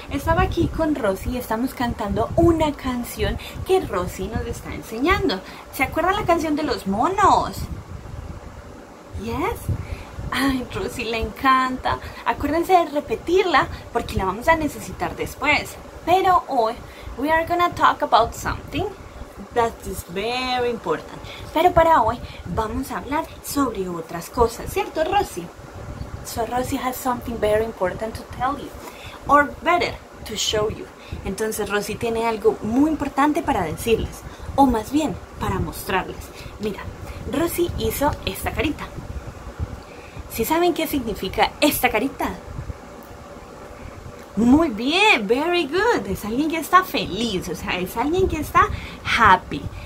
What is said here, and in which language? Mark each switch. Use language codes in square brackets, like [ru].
[es] Estaba aquí con Rosy y estamos cantando una canción que Rosy nos está enseñando. ¿Se acuerdan la canción de los monos? ¿Yes? Ay, Rosy, le encanta. Acuérdense de repetirla porque la vamos a necesitar después. Pero hoy, [en] we are gonna talk about something that is very important. [es] Pero para hoy, vamos a hablar sobre otras cosas, ¿cierto, Rosy? [en] So Rosy has something very important to tell you, or better, to show you. [es] Entonces Rosy tiene algo muy importante para decirles, o más bien, para mostrarles. Mira, Rosy hizo esta carita. ¿Sí saben qué significa esta carita? Muy bien, [en] very good. [es] Es alguien que está feliz, o sea, es alguien que está happy.